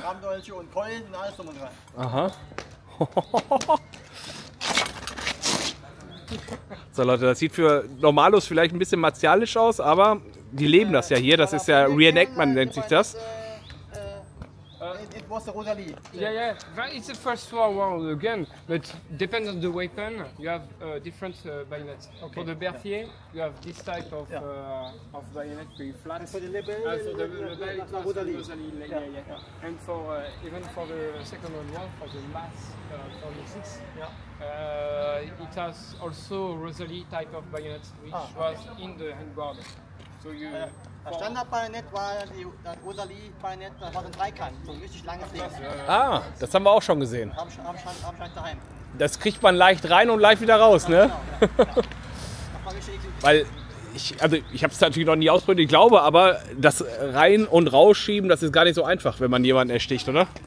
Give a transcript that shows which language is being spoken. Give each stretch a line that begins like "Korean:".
German: Grabendolche und Keulen und alles drum und dran. Aha. So Leute, das sieht für Normalos vielleicht ein bisschen martialisch aus, aber die leben das ja hier. Das ist ja Reenactment, nennt sich das.
English: It was a Rosalie. Yeah, yeah. It's the first war world again, but depends on the weapon, you have different bayonets. Okay. For the Berthier, you have this type of bayonet, pretty flat. And for the Lebel, Rosalie. Yeah. And for even for the Second World War, for the Mass 46. Yeah. It has also Rosalie type of bayonet, which was in the handguard. So you.
German: Der Standard-Bayonett war das Rosalie-Bayonett, das war so ein Dreikant, so ein richtig langes Ding. Ah, das haben wir auch schon gesehen. Hab ich daheim. Das kriegt man leicht rein und leicht wieder raus, ja, ne? Genau, ja. Weil ich habe es natürlich noch nie ausprobiert, ich glaube, aber das rein- und rausschieben, das ist gar nicht so einfach, wenn man jemanden ersticht, oder?